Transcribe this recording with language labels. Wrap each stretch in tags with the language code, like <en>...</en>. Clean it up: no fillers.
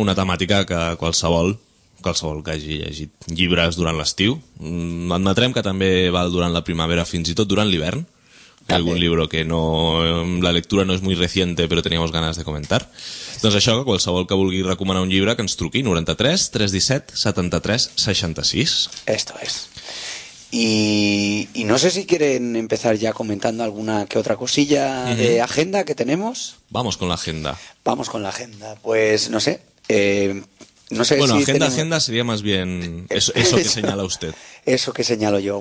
<ca>Una temàtica que qualsevol que hagi llegit llibres durant l'estiu. Admetrem que també val durant la primavera, fins i tot durant l'hivern. També.</ca> <es>Algún libro que no... La lectura no es muy reciente, pero teníamos ganas de comentar.</es> <ca>Entonces, això, qualsevol que vulgui recomanar un llibre, que ens truqui, 93 317 73 66.</ca> <es>Esto es. Y no sé si quieren empezar ya comentando alguna que otra cosilla uh-huh. de agenda que tenemos. Vamos con la agenda. Vamos con la agenda. Pues, no sé. No sé bueno, si agenda, tenemos... agenda sería más bien eso que señala usted. Eso que señalo yo.</es>